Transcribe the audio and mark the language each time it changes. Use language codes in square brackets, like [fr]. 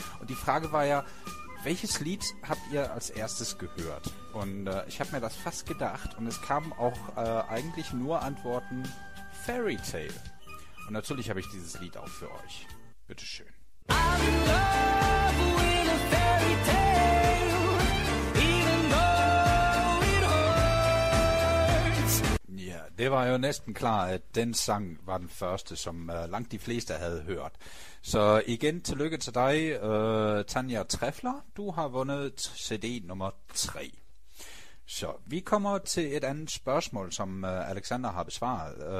[de] Und die Frage war ja, welches Lied habt ihr als erstes gehört? Und ich habe mir das fast gedacht und es kamen auch eigentlich nur Antworten Fairy Tale. Und natürlich habe ich dieses Lied auch für euch. Bitteschön. [en] I'm in love with a fairy tale. [da] Det var jo næsten klar, at den sang var den første, som langt de fleste havde hørt. Så igen tillykke til dig, Tanja Treffler. Du har vundet CD nummer 3. Så vi kommer til et andet spørgsmål, som Alexander har besvaret.